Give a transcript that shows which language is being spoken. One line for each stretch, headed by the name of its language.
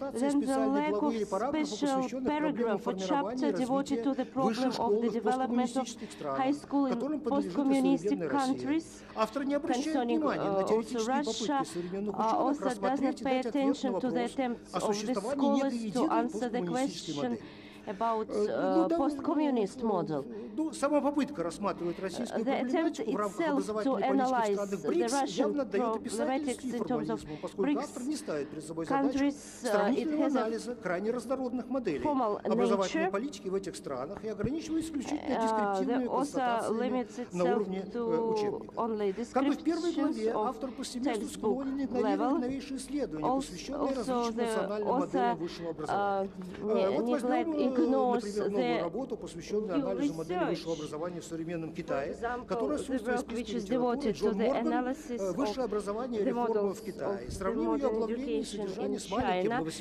English: Then the lack of special paragraph or chapter devoted to the problem of the development of high school in post-communistic countries concerning also Russia also does not pay attention to the attempts of the scholars to answer the question about post-communist model.
Russian: Ну, сама попытка рассматривать российскую проблематику в рамках образовательной политики страны БРИКС явно дает описательский формализм, поскольку автор не ставит перед собой задачу сравнительного анализа крайне разнородных моделей образовательной политики в этих странах и ограничивает исключительно дескриптивными констатациями на уровне учебника. Как и в первой главе, автор постепенно склонен игнорировать новейшие исследования, посвященные различным национальным моделям высшего образования. Вот возьмем прогноз
English: the research, the work which is devoted to the analysis of the models of the modern education in China.